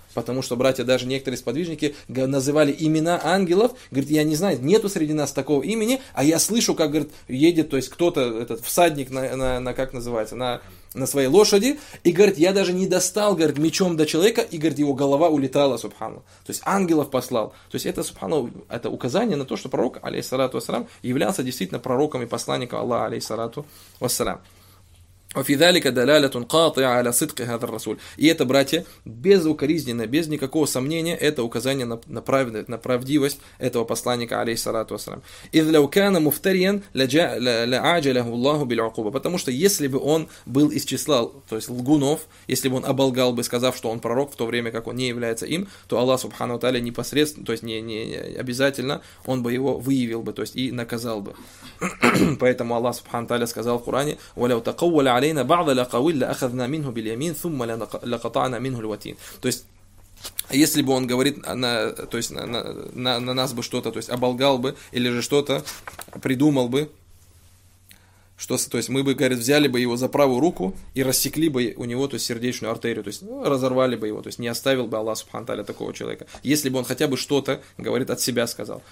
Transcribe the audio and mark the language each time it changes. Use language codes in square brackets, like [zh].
[ru] Потому что, братья, даже некоторые сподвижники называли имена ангелов, говорит, я не знаю, нету среди нас такого имени, а я слышу, как, говорит, едет, то есть кто-то, этот всадник на как называется, на своей лошади, и, говорит, я даже не достал, говорит, мечом до человека, и, говорит, его голова улетала, субханна. То есть ангелов послал. То есть это, субханна, это указание на то, что пророк, алейхиссалату вассалям, являлся действительно пророком и посланником Аллаха, алейхиссалату вассалям. [ar] وفي ذلك دلالة قاطعة على صدق هذا الرسول. [ru] И это, братья, безукоризненно, без никакого сомнения, это указание на правдивость этого посланника, алейхиссалату вассалям. [ar] إذ لو كان مفتريا لعاجله الله بالعقوبة. [ru] Потому что если бы он был из числа, то есть лгунов, если бы он оболгал бы, сказав, что он пророк, в то время как он не является им, то Аллах субхана ва тааля непосредственно, то есть не обязательно, он бы его выявил бы, то есть и наказал бы. Поэтому Аллах субхана ва тааля сказал в Коране: [ar] ولو تقول علينا بعض الأقاويل لأخذنا منه باليمين ثم لقطعنا منه الوتين. [ru] То есть если бы он говорит на нас бы что-то, то есть оболгал бы или же что-то придумал бы, что, то есть мы бы, говорит, взяли бы его за правую руку и рассекли бы у него, то есть сердечную артерию, то есть, ну, разорвали бы его, то есть не оставил бы Аллах субхана таля такого человека, если бы он хотя бы что-то, говорит, от себя сказал.